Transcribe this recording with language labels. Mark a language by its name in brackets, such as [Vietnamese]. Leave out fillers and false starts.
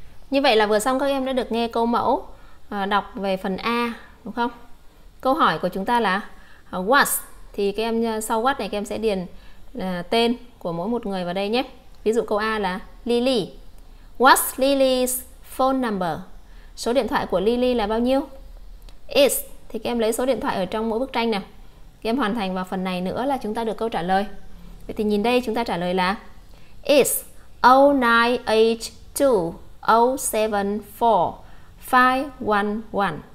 [Vietnamese] Như vậy là vừa xong các em đã được nghe câu mẫu đọc về phần A, đúng không? Câu hỏi của chúng ta là what? Thì các em sau what này các em sẽ điền tên của mỗi một người vào đây nhé. Ví dụ câu A là Lily. [English] What's Lily's phone number? [Vietnamese] Số điện thoại của Lily là bao nhiêu? Is, thì các em lấy số điện thoại ở trong mỗi bức tranh nè. Các em hoàn thành vào phần này nữa là chúng ta được câu trả lời. Vậy thì nhìn đây chúng ta trả lời là is 0982074511.